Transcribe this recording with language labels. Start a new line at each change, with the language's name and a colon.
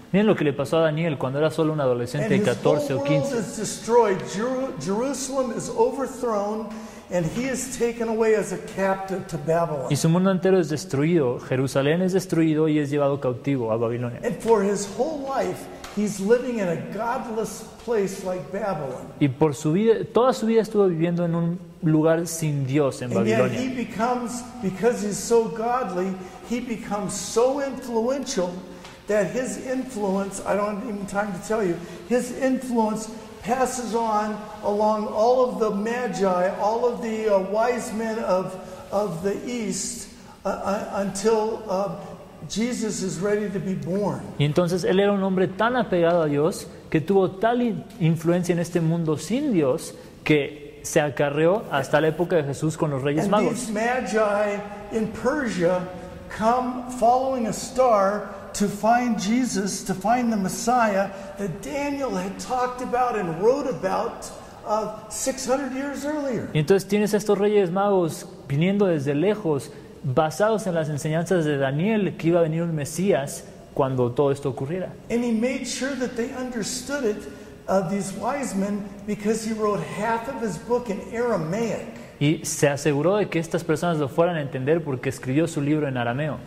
Spanish: Miren lo que le pasó a Daniel cuando era solo un adolescente de 14 o 15.
English: And his whole world is destroyed. Jerusalem is overthrown, and he is taken away as a captive to Babylon.
Spanish: Y su mundo entero es destruido. Jerusalén es destruido y es llevado cautivo a Babilonia.
English: And for his whole life, he's living in a godless place like Babylon.
Spanish: Y por su vida, toda su vida estuvo viviendo en un lugar sin Dios en Babilonia.
English: And yet he becomes, because he's so godly, he becomes so influential that his influence, I don't have even time to tell you, his influence passes on along all of the magi, all of the wise men of the East, until Jesus is ready to be born.
Spanish: Y entonces él era un hombre tan apegado a Dios que tuvo tal influencia en este mundo sin Dios que se acarreó hasta la época de Jesús con los Reyes Magos.
English: These magi in Persia come following a star to find Jesus, to find the Messiah that Daniel had talked about and wrote about 600 years earlier.
Spanish: Y entonces tienes a estos Reyes Magos viniendo desde lejos, basados en las enseñanzas de Daniel que iba a venir un Mesías cuando todo esto ocurriera.
English: And he made sure that they understood it, these wise men, because he wrote half of his book in Aramaic.
Spanish: Y se aseguró de que estas personas lo fueran a entender porque escribió su libro en arameo.